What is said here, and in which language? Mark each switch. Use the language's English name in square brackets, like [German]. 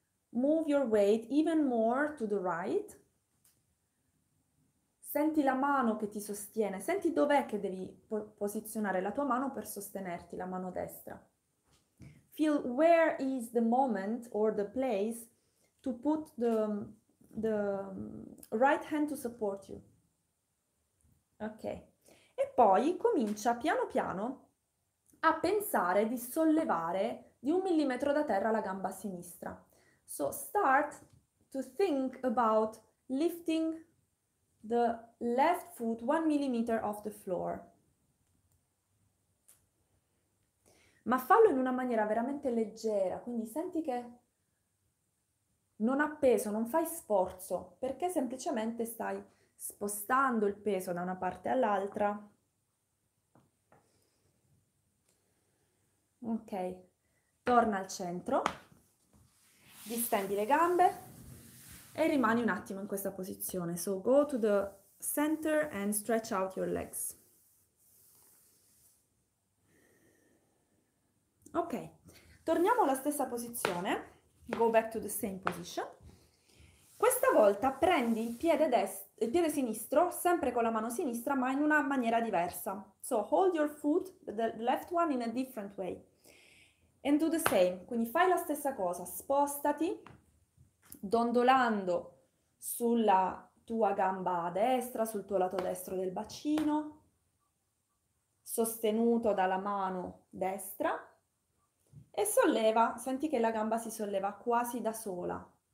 [English] Move your weight even more to the right. [Italian] Senti la mano che ti sostiene, senti dov'è che devi posizionare la tua mano per sostenerti, la mano destra. [English] Feel where is the moment or the place to put the right hand to support you. [Italian] Ok, e poi comincia piano piano a pensare di sollevare di 1 millimetro da terra la gamba sinistra. [English] So start to think about lifting the left foot 1 millimeter off the floor. [Italian] Ma fallo in una maniera veramente leggera, quindi senti che non ha peso, non fai sforzo, perché semplicemente stai spostando il peso da una parte all'altra. Ok, torna al centro, distendi le gambe e rimani un attimo in questa posizione. [English] So go to the center and stretch out your legs. Ok, [Italian] torniamo alla stessa posizione. [English] Go back to the same position. [Italian] Questa volta prendi il piede sinistro, sempre con la mano sinistra, ma in una maniera diversa. [English] So hold your foot, the left one, in a different way. And do the same. [Italian] Quindi fai la stessa cosa, spostati dondolando sulla tua gamba destra, sul tuo lato destro del bacino, sostenuto dalla mano destra, e solleva, senti che la gamba si solleva quasi da sola.